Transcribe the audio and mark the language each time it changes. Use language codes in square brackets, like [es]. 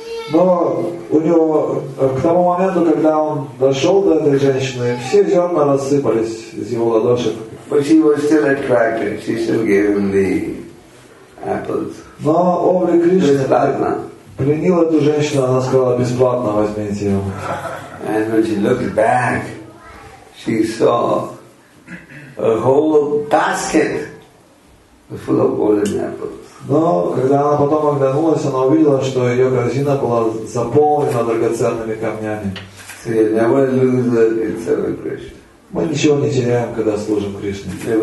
[ru] Но у него к тому моменту, когда он дошел до этой женщины, все зерна рассыпались из его ладошек. [en] But she was still attracted. She still gave him the apples. [ru] Но Обри Кришна пленил эту женщину, она сказала, бесплатно возьмите его. [en] And when she looked back, she saw a whole basket full of golden apples. [ru] Но когда она потом оглянулась, она увидела, что ее корзина была заполнена драгоценными камнями. Мы ничего не теряем, когда служим Кришне.